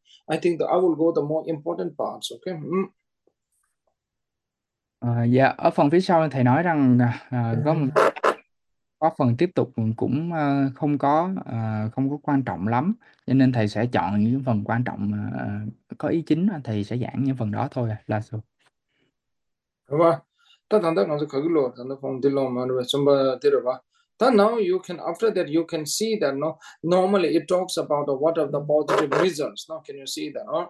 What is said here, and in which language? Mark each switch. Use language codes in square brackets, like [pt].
[en] I think that I will go the more important parts. Okay. [vi] Ở phần phía sau thầy nói rằng có phần tiếp tục cũng không có quan trọng lắm, cho nên thầy sẽ chọn những phần quan trọng có ý chính, thầy sẽ giảng những phần đó thôi là sao. [en] Now you can after that you can see that no normally it talks about what are the positive reasons. Now can you see that?